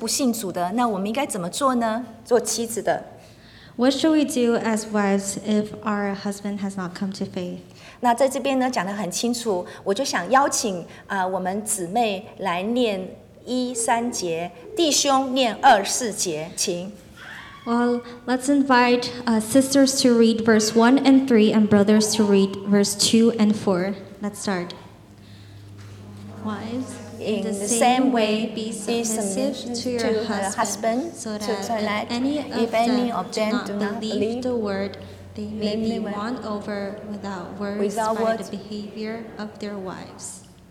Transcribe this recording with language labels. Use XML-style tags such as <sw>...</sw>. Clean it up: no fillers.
<zh>那如果先生是不信主的，那我们应该怎么做呢？做妻子的。</zh> <en>What should we do as wives if our husband has not come to faith?</en> <zh>那在这边呢，讲得很清楚，我就想邀请我们姊妹来念。一三节，弟兄念二四节，请。</zh> <en>Well, let's invite sisters to read verse 1 and 3 and brothers to read verse 2 and 4. Let's start. Wives, in the same way, be submissive to your husband, so that if any of them do not believe the word, they may be won over without words by the behavior of their wives.</en>